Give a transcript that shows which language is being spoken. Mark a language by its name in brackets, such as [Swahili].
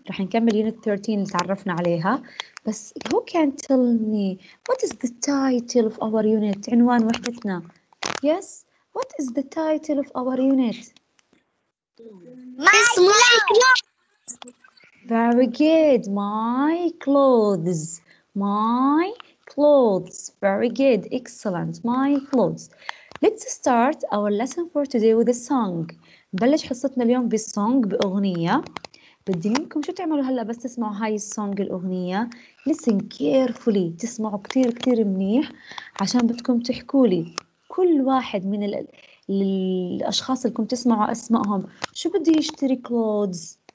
[Arabic] رح نكمل unit 13 اللي تعرفنا عليها. بس [English] who can tell me what is the title of our unit? [Arabic] عنوان وحدتنا. [English] Yes, what is the title of our unit? My clothes. Very good. My clothes. My clothes. Very good. Excellent. My clothes. Let's start our lesson for today with a song. [Arabic] نبلش حصتنا اليوم بسونج بأغنية. بدي منكم شو تعملوا هلأ بس تسمعوا هاي السونج الأغنية. [English] Listen carefully. [Arabic] تسمعوا كتير كتير منيح عشان بدكم تحكولي كل واحد من الأشخاص اللي كنتم تسمعوا أسمائهم شو بدي يشتري clothes.